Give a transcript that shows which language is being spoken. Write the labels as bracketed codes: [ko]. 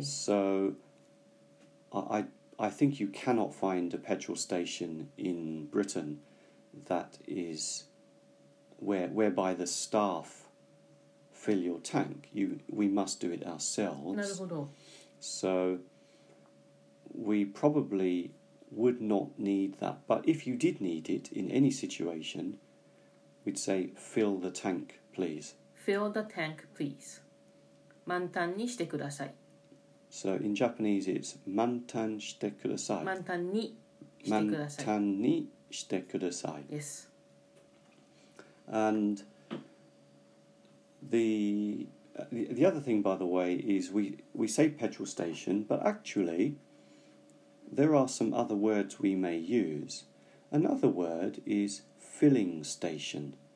[en] So, I think you cannot find a petrol station in Britain that is whereby the staff fill your tank. We must do it ourselves. [ja] なるほど。 [en] So, we probably would not need that. But if you did need it in any situation... We'd say, fill the tank, please. Fill the tank, please. [ja] 満タンにしてください。 [en] So in Japanese, it's [ja] 満タンしてください。満タンにしてください。満タンにしてください。 [en] Yes. And the other thing, by the way, is we say petrol station, but actually, there are some other words we may use. Another word is... Filling station.